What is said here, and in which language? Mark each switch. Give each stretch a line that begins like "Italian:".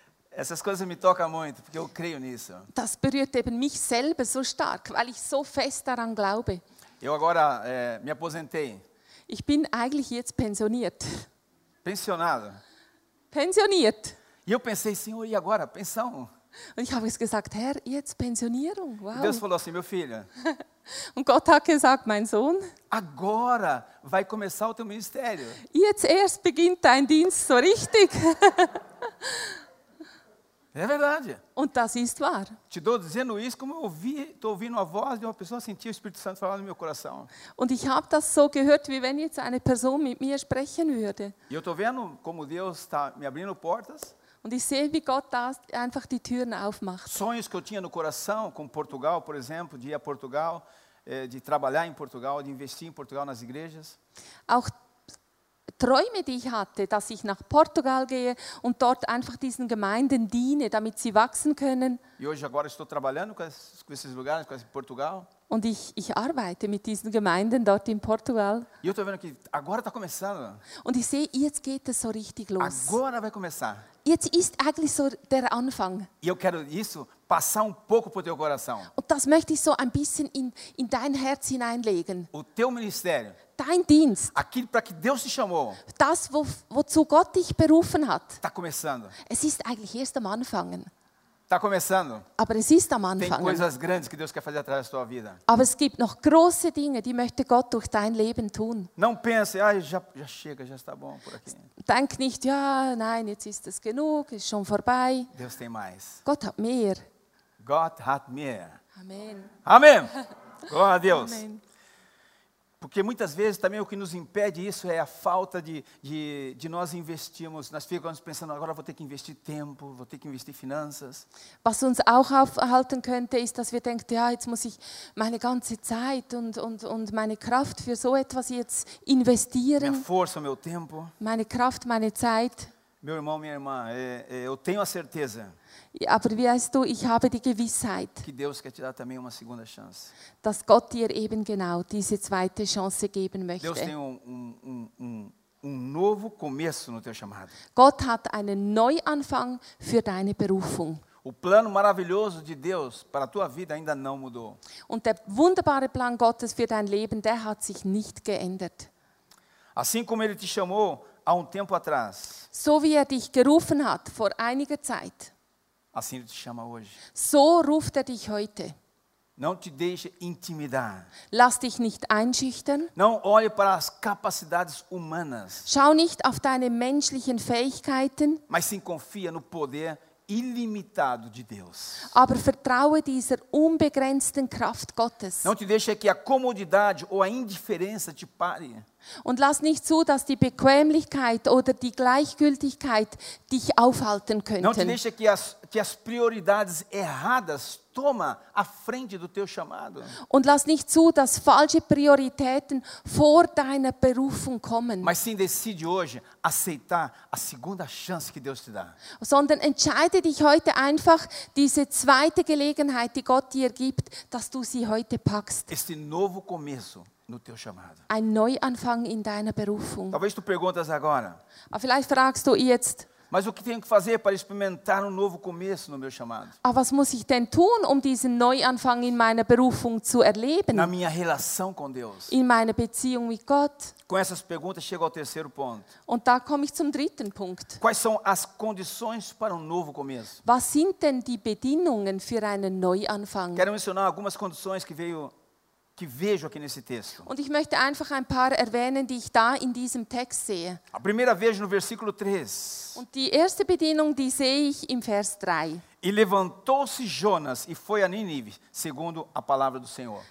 Portuguese: Essas coisas me tocam muito, porque eu creio nisso.
German: Das berührt eben mich selber so stark, weil ich so fest daran glaube.
Portuguese: Eu agora me aposentei.
German: Ich bin eigentlich jetzt pensioniert.
Portuguese: Pensionado.
German: Pensioniert.
Portuguese: E eu pensei, Senhor, e agora? Pensão.
German: Und ich habe gesagt, Herr, jetzt Pensionierung. Wow.
Portuguese: Deus falou assim, meu filho.
German: Und Gott hat gesagt, mein Sohn.
Portuguese: Agora vai começar o teu ministério.
German: Jetzt erst beginnt dein Dienst so richtig.
Portuguese: É verdade.
German: Und das ist wahr.
Portuguese: Te dou dizendo isso como eu vi, tô ouvindo a voz de uma pessoa, senti o Espírito Santo falando no meu coração.
German: Und ich habe das so gehört, wie wenn jetzt eine Person mit mir sprechen würde.
Portuguese: E eu tô vendo como Deus está me abrindo portas.
German: Und ich sehe, wie Gott da einfach die Türen aufmacht.
Portuguese: Sonhos que eu tinha no coração com Portugal, por exemplo, de ir a Portugal, de trabalhar em Portugal, de investir em Portugal nas igrejas.
German: Auch Träume, die ich hatte, dass ich nach Portugal gehe und dort einfach diesen Gemeinden diene, damit sie wachsen können.
Portuguese: E hoje agora estou trabalhando com esses lugares, com esse Portugal.
German: Und ich arbeite mit diesen Gemeinden dort in Portugal.
Portuguese: E eu tô vendo que agora tá começando.
German: Und ich sehe, jetzt geht es so richtig los.
Portuguese: Agora vai começar.
German: Jetzt ist eigentlich so der Anfang.
Portuguese: E eu quero isso passar pouco pro teu coração.
German: Und das möchte ich so ein bisschen in dein Herz hineinlegen.
Portuguese: O teu ministério.
German: Dein Dienst.
Portuguese: Aquilo para que Deus te chamou.
German: Das, wozu Gott dich berufen hat.
Portuguese: Tá começando.
German: Es ist eigentlich erst am Anfang.
Portuguese: Tá começando.
German: Aber es ist am Anfang.
Portuguese: Tem coisas grandes que Deus quer fazer através da tua vida.
German: Aber es gibt noch große Dinge, die möchte Gott durch dein Leben tun.
Portuguese: Não pense, já chega, já está bom por aqui.
German: Denk nicht, ja, nein, jetzt ist es genug, ist schon vorbei.
Portuguese: Deus tem mais.
German: Gott hat mehr. Gott hat mehr. Amen.
Portuguese: Amen. Glória a Deus. Porque muitas vezes também o que nos impede isso é a falta de nós investirmos. Nós ficamos pensando, agora vou ter que investir tempo, vou ter que investir finanças.
German: Was uns auch aufhalten könnte, ist, dass wir denken, ja, jetzt muss ich meine ganze Zeit und meine Kraft für so etwas jetzt investieren.
Portuguese: Minha força, meu tempo.
German: Meine Kraft, meine Zeit.
Portuguese: Meu irmão, minha irmã, eu tenho a certeza.
German: Aber weißt du, ich habe die Gewissheit,
Portuguese: que Deus quer te dar também uma segunda chance.
German: Dass Gott dir eben genau diese zweite Chance geben möchte.
Portuguese: Deus tem novo começo no teu chamado.
German: Gott hat einen Neuanfang für deine Berufung.
Portuguese: O plano maravilhoso de Deus para a tua vida ainda não mudou.
German: Und der wunderbare Plan Gottes für dein Leben, der hat sich nicht geändert.
Portuguese: Assim como ele te chamou há tempo atrás.
German: So wie er dich gerufen hat vor einiger Zeit.
Portuguese: Assim ele te chama hoje.
German: So ruft er dich heute.
Portuguese: Não te deixe intimidar.
German: Lass dich nicht einschüchtern.
Portuguese: Não olhe para as capacidades humanas.
German: Schau nicht auf deine menschlichen Fähigkeiten.
Portuguese: Mas sim confia no poder ilimitado de Deus.
German: Aber vertraue dieser unbegrenzten Kraft Gottes.
Portuguese: Não te deixe que a comodidade ou a indiferença te pare.
German: Und lass nicht zu, dass die Bequemlichkeit oder die Gleichgültigkeit dich aufhalten könnten.
Portuguese: Não te deixe que as prioridades erradas toma a frente do teu chamado.
German: Und lass nicht zu, dass falsche Prioritäten vor deiner Berufung kommen.
Portuguese: Mas sim, decide hoje aceitar a segunda chance que Deus te dá.
German: Sondern entscheide dich heute einfach, diese zweite Gelegenheit, die Gott dir gibt, dass du sie heute packst.
Portuguese: Este novo começo. No teu chamado.
German: Ein Neuanfang in deiner Berufung.
Portuguese: Talvez tu perguntas agora.
German: Aber vielleicht fragst du jetzt.
Portuguese: Mas o que tenho que fazer para experimentar novo começo no meu chamado?
German: Aber was muss ich denn tun, diesen Neuanfang in meiner Berufung zu erleben?
Portuguese: Na minha relação com Deus.
German: In meiner Beziehung mit Gott.
Portuguese: Com essas perguntas chego ao terceiro ponto.
German: Und da komme ich zum dritten Punkt.
Portuguese: Quais são as condições para novo começo?
German: Was sind denn die Bedingungen für einen Neuanfang?
Portuguese: Quero mencionar algumas condições que vejo aqui nesse texto.
German: Und ich möchte einfach ein paar erwähnen, die ich da in diesem Text sehe.
Portuguese: A primeira vejo no versículo 3.
German: Und die erste Bedingung, die sehe ich im Vers 3.
Portuguese: E levantou-se Jonas e foi a Nínive, segundo a palavra do Senhor.